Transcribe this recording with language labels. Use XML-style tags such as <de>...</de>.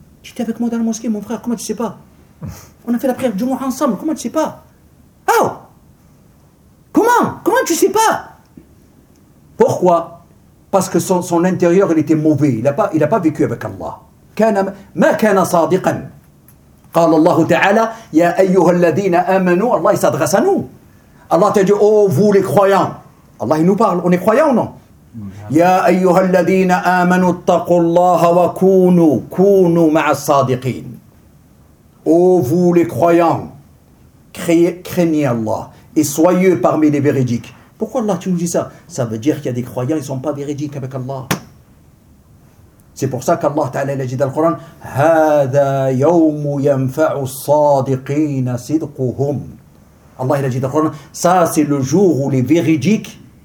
<fr>Tu étais avec moi dans la mosquée, mon frère, comment tu ne sais pas? On a fait la prière du mois ensemble, comment tu ne sais pas? Oh! Comment tu ne sais pas? Pourquoi? Parce que son intérieur, il était mauvais, il n'a pas vécu avec Allah.</fr> <ar>Ma kana sadiqan. قال الله تعالى يا أيها الذين آمنوا الله يصدغس عنه الله تجي أو</ar> <fr>vous les croyants</fr> <ar>الله</ar> <fr>nous parle on est croyants ou non</fr> <ar>يا أيها الذين آمنوا اتقوا الله وكونوا مع الصادقين أو</ar> <fr>vous les croyants craignez Allah et soyez parmi les véridiques. Pourquoi Allah tu nous dis ça? Ça veut dire qu'il y a des croyants ils sont pas véridiques avec Allah. C'est pour ça qu'Allah Ta'ala l'a dit dans le Coran,</fr> <ar>هذا يوم ينفع الصادقين صدقهم.</ar> <fr>Allah l'a dit dans le Coran, ça c'est le jour où les véridiques,</fr>